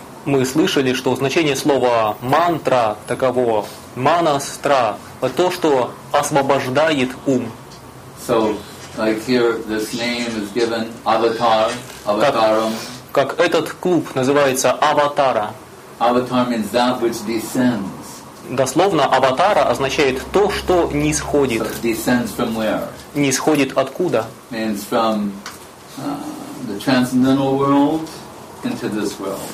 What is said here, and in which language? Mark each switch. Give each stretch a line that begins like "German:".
Russian: Мы слышали, что значение слова мантра таково, манастра, то, что освобождает ум.
English: So, like here, this name is given avatar, avataram.
Russian: Как этот клуб называется аватара.
English: Avatar means that which descends.
Russian: Дословно аватара означает то, что нисходит.
English: So, descends from where?
Russian: Нисходит откуда?
English: Means from the transcendental world. Into this world.